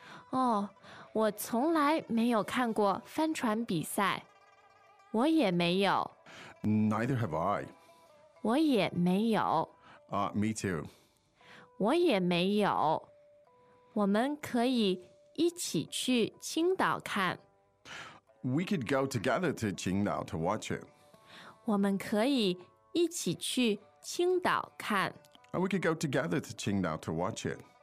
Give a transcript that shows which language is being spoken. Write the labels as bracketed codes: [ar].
[zh] 哦，我从来没有看过帆船比赛。我也没有。 [en] Neither have I. [zh] 我也没有。 [en] Me too. [zh] 我也没有。我们可以一起去青岛看。 [en] We could go together to Qingdao to watch it. [zh] 我们可以一起去青岛看。 [en] We could go together to Qingdao to watch it.